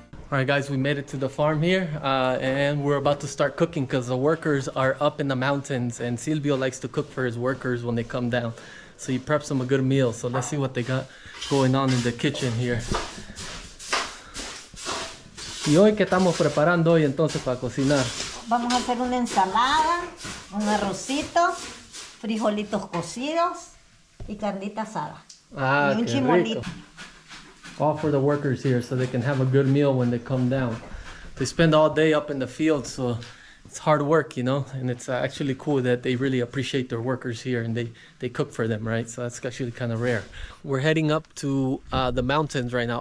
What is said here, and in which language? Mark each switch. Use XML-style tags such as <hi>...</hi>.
<en>All right, guys, we made it to the farm here and we're about to start cooking because the workers are up in the mountains and Silvio likes to cook for his workers when they come down. So he preps them a good meal. So let's see what they got going on in the kitchen here.</en> <es>¿Y hoy qué estamos preparando hoy entonces para cocinar? Vamos a hacer una ensalada, un arrocito, frijolitos cocidos y carnita asada. Ah, y un chimolito.</es> <en>All for the workers here so they can have a good meal when they come down. They spend all day up in the field, so it's hard work, you know, and it's actually cool that they really appreciate their workers here and they cook for them, right? So that's actually kind of rare. We're heading up to the mountains right now.</en>